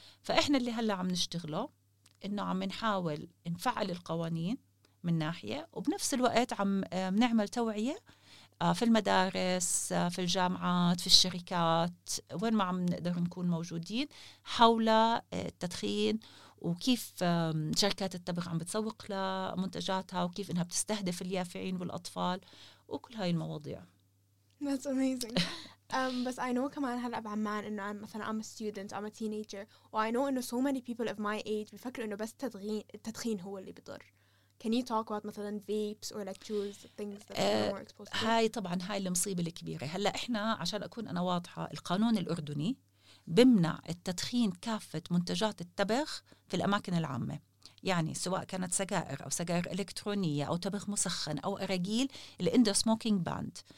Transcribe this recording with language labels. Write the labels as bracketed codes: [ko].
[ar] فإحنا اللي هلا عم نشتغله إنه عم نحاول نفعل القوانين من ناحية، وبنفس الوقت عم نعمل توعية في المدارس، في الجامعات، في الشركات، وين ما عم نقدر نكون موجودين حول التدخين، وكيف شركات التبغ عم بتسوق لمنتجاتها، وكيف إنها بتستهدف اليافعين والأطفال، وكل هاي المواضيع. [en] That's amazing. But I know [ar] كمان هلأ بعمان إنه مثلاً [en] I'm a student, I'm a teenager, and I know إنه so many people of my age [ar] بيفكر إنه بس التدخين هو اللي بيضر. [en] Can you talk about مثلاً vapes or like juice, things that are more exposed to? [ar] هاي طبعاً هاي المصيبة الكبيرة. هلأ إحنا عشان أكون أنا واضحة، القانون الأردني بمنع التدخين كافة منتجات التبغ في الأماكن العامة، يعني سواء كانت سجائر أو سجائر إلكترونية أو تبغ مسخن أو أراجيل، الإندو سموكينج باند.